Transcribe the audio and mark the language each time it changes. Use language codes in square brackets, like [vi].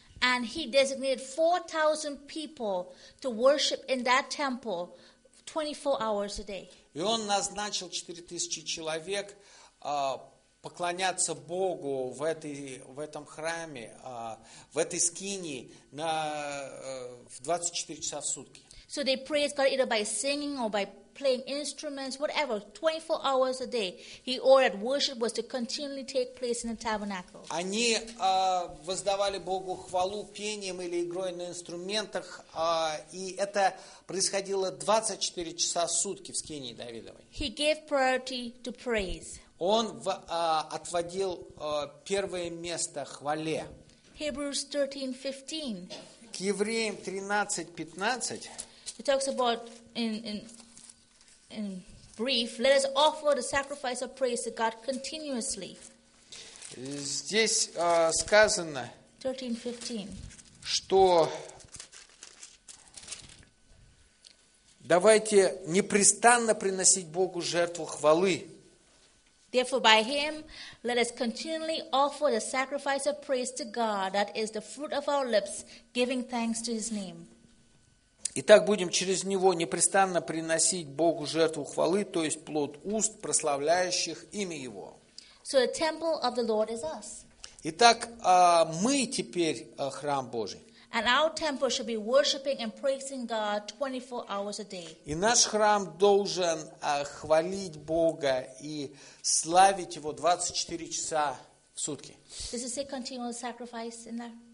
[en] And he designated 4,000 people to worship in that temple 24 hours a day. [ru] И он назначил 4,000 человек поклоняться Богу в этом храме, в этой скинии в 24 часа в сутки. [en] So they praised God either by singing or by playing instruments, whatever, 24 hours a day. He ordered worship was to continually take place in the tabernacle. [ru] Они воздавали Богу хвалу пением или игрой на инструментах, и это происходило 24 часа в сутки в скинии Давидовой. [en] He gave priority to praise. [ru] Он отводил первое место хвале. [en] Hebrews 13:15. [ru] К Евреям 13:15. [en] It talks about in brief, let us offer the sacrifice of praise to God continuously. [ru] Здесь сказано, 13:15. Что давайте непрестанно приносить Богу жертву хвалы. [en] Therefore, by Him, let us continually offer the sacrifice of praise to God, that is the fruit of our lips, giving thanks to His name. [ru] Итак, будем через Него непрестанно приносить Богу жертву хвалы, то есть плод уст, прославляющих имя Его. [en] So the temple of the Lord is us. [ru] Итак, мы теперь храм Божий. [en] And our temple should be worshiping and praising God 24 hours a day. [ru] И наш храм должен хвалить Бога и славить Его 24 часа в сутки. [en] Does it say continual sacrifice in there?